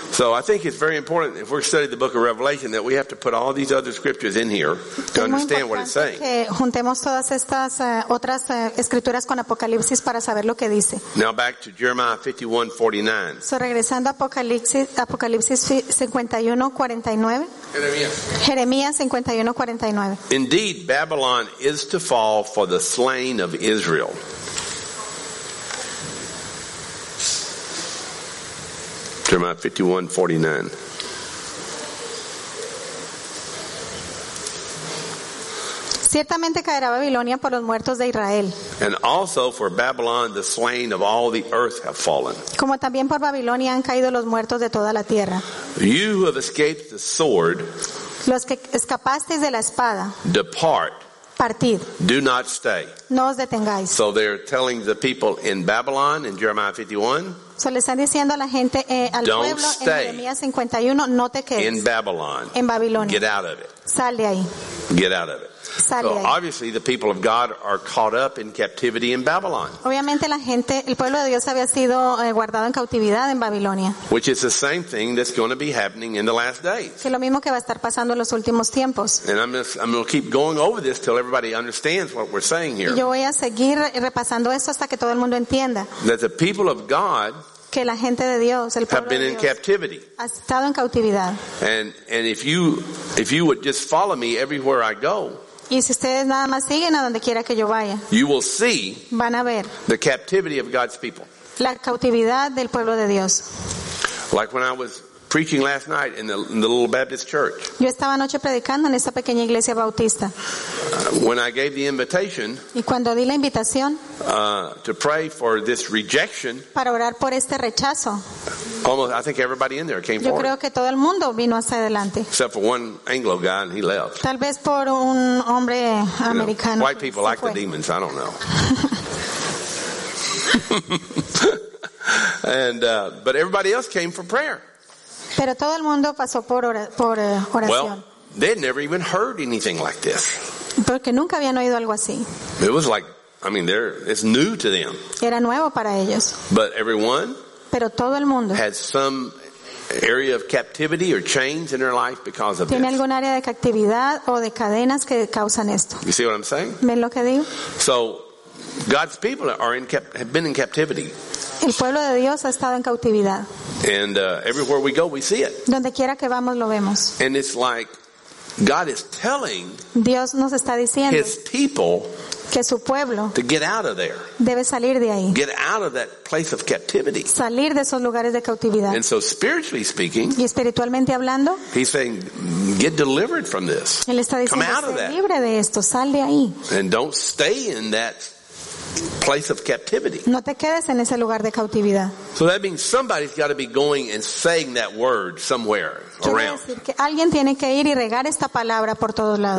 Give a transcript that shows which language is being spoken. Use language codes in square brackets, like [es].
[en] So I think it's very important if we're studying the book of Revelation that we have to put all these other scriptures in here to understand what it's saying. [es] Que juntemos todas estas otras escrituras con Apocalipsis para saber lo que dice. [en] Now back to Jeremiah 51:49. [es] So regresando a Apocalipsis 51:49. Jeremías 51:49. [en] Indeed, Babylon is to fall for the slain of Israel. Jeremiah 51:49. [es] Ciertamente caerá Babilonia por los muertos de Israel. [en] And also for Babylon, the slain of all the earth have fallen. [es] Como también por Babilonia han caído los muertos de toda la tierra. [en] You who have escaped the sword. [es] Los que escapasteis de la espada. [en] Depart. [es] Partid. [en] Do not stay. [es] No os detengáis. [en] So they're telling the people in Babylon in Jeremiah 51. [es] So le están diciendo a la gente al [en] don't [es] pueblo en Jeremías 51 no te quedes [en] in Babylon. [es] En Babilonia. [en] Get out of it. [es] Sale ahí. [en] Get out of it. So obviously the people of God are caught up in captivity in Babylon. [es] Obviamente la gente, el pueblo de Dios había sido guardado en cautividad en Babilonia. [en] Which is the same thing that's going to be happening in the last days. [es] Que lo mismo que va a estar pasando en los últimos tiempos. [en] And I'm going to keep going over this till everybody understands what we're saying here. [es] Yo voy a seguir repasando esto hasta que todo el mundo entienda. [en] That the people of God [es] que la gente de Dios, el [en] have been [es] de [en] in [es] Dios, [en] captivity. [es] Ha estado en cautividad. [en] And if you would just follow me everywhere I go. [es] Y si ustedes nada más siguen a donde quiera que yo vaya, [en] you will see, [es] van a ver [en] the captivity of God's people. [es] La cautividad del pueblo de Dios. [en] Like when I was preaching last night in the little Baptist church. [es] Yo estaba anoche predicando en esta pequeña iglesia bautista. [en] When I gave the invitation, [es] y cuando di la invitación, [en] to pray for this rejection, [es] para orar por este rechazo, [en] almost, I think everybody in there came forward. [es] Yo creo que todo el mundo vino hasta adelante. [en] Except for one Anglo guy and he left. [es] Tal vez por un hombre americano. [en] Know, white people like [es] fue. [en] The demons, I don't know. but everybody else came for prayer. [es] Pero todo el mundo pasó por oración. [en] Well, they'd never even heard anything like this. [es] Porque nunca habían oído algo así. [en] It was like, I mean, it's new to them. [es] Era nuevo para ellos. [en] But everyone, [es] pero todo el mundo, [en] had some area of captivity or chains in their life because of [es] tiene [en] this. [es] Tiene algún área de captividad o de cadenas que causan esto. [en] You see what I'm saying? [es] ¿Ven lo que digo? [en] So, God's people have been in captivity. [es] El pueblo de Dios ha estado en cautividad. [en] And everywhere we go, we see it. [es] Donde quiera que vamos, lo vemos. [en] And it's like God is telling [es] Dios nos está diciendo [en] His people [es] que su pueblo [en] to get out of there. [es] Debe salir de ahí. [en] Get out of that place of captivity. [es] Salir de esos lugares de cautividad. [en] And so spiritually speaking, [es] y espiritualmente hablando, [en] He's saying, get delivered from this. [es] Él está diciendo, [en] come out of that. [es] Libre de esto. Sal de ahí. [en] And don't stay in that place of captivity. [es] No te quedes en ese lugar de cautividad. [en] So that means somebody's got to be going and saying that word somewhere around. [es] Quiero decir que alguien tiene que ir y regar esta palabra por todos lados.